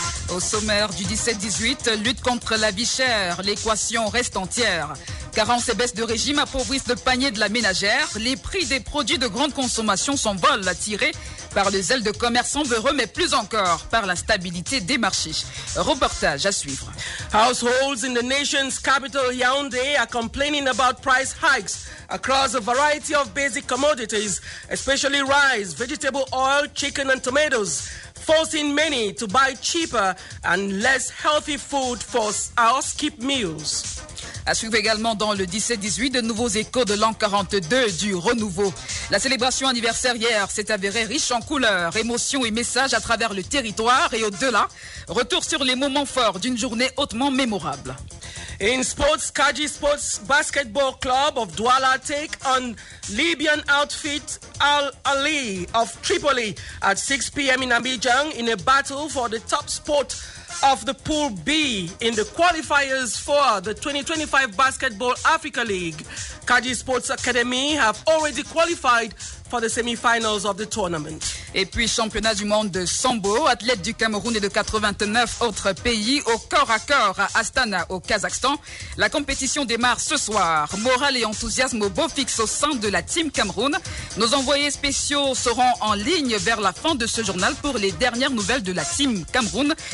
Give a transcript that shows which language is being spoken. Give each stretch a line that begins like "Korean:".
French: Au sommaire du 17-18, lutte contre la vie chère, l'équation reste entière. Carence et baisse de régime appauvrissent le panier de la ménagère. Les prix des produits de grande consommation s'envolent, attirés par les ailes de commerçants véreux, mais plus encore par la stabilité des marchés. Reportage à suivre.
English: Households in the nation's capital Yaoundé are complaining about price hikes across a variety of basic commodities, especially rice, vegetable oil, chicken and tomatoes, forcing many to buy cheaper and less healthy food for house-keep meals.
French: À suivre également dans le 17-18, de nouveaux échos de l'an 42 du renouveau. La célébration anniversaire hier s'est avérée riche en couleurs, émotions et messages à travers le territoire et au-delà. Retour sur les moments forts d'une journée hautement mémorable.
English: In sports, Kaji Sports Basketball Club of Douala take on Libyan outfit Al Ahly of Tripoli at 6 p.m. in Abidjan in a battle for the top spot of the Pool B in the qualifiers for the 2025 Basketball Africa League. Kaji Sports Academy have already qualified for the semi-finals of the tournament.
French: Et puis, championnat du monde de Sambo, athlète du Cameroun et de 89 autres pays, au corps à corps à Astana, au Kazakhstan. La compétition démarre ce soir. Morale et enthousiasme au beau fixe au sein de la Team Cameroun. Nos envoyés spéciaux seront en ligne vers la fin de ce journal pour les dernières nouvelles de la Team Cameroun.